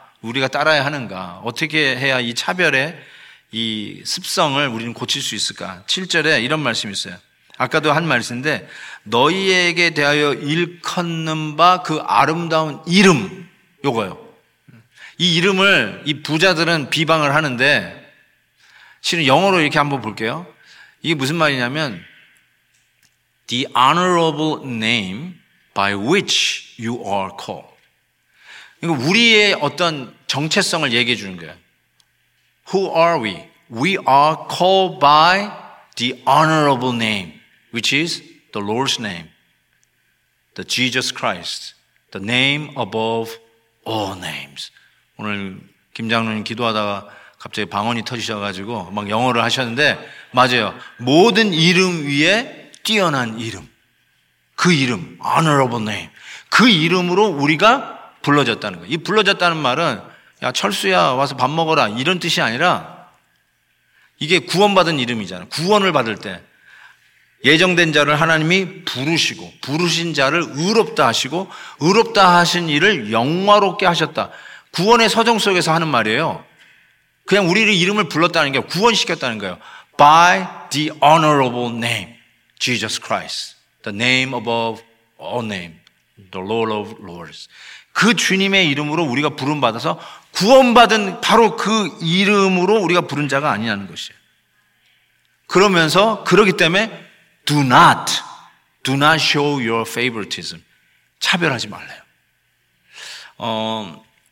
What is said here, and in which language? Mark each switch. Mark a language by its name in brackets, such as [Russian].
[Korean] 우리가 따라야 하는가? 어떻게 해야 이 차별의 이 습성을 우리는 고칠 수 있을까? 7절에 이런 말씀이 있어요. 아까도 한 말씀인데 너희에게 대하여 일컫는 바 그 아름다운 이름, 요거요. 이 이름을 이 부자들은 비방을 하는데 실은 영어로 이렇게 한번 볼게요. 이게 무슨 말이냐면 [English] The honorable name by which you are called. [Korean] 우리의 어떤 정체성을 얘기해 주는 거예요. [English] Who are we? We are called by the honorable name, which is the Lord's name, the Jesus Christ, the name above all names. [Korean] 오늘 김장로님 기도하다가 갑자기 방언이 터지셔가지고 막 영어를 하셨는데, 맞아요. 모든 이름 위에 뛰어난 이름. 그 이름, honorable name. 그 이름으로 우리가 불러졌다는 거예요. 이 불러졌다는 말은, 야, 철수야, 와서 밥 먹어라. 이런 뜻이 아니라, 이게 구원받은 이름이잖아요. 구원을 받을 때. 예정된 자를 하나님이 부르시고, 부르신 자를 의롭다 하시고, 의롭다 하신 일을 영화롭게 하셨다. 구원의 서정 속에서 하는 말이에요. 그냥 우리를 이름을 불렀다는 게 구원시켰다는 거예요. [English] By the honorable name, Jesus Christ. The name above all name, the Lord of Lords. [Korean] 그 주님의 이름으로 우리가 부름받아서 구원받은 바로 그 이름으로 우리가 부른 자가 아니냐는 것이에요. 그러면서 그러기 때문에 [English] do not show your favoritism. [Korean] 차별하지 말래요.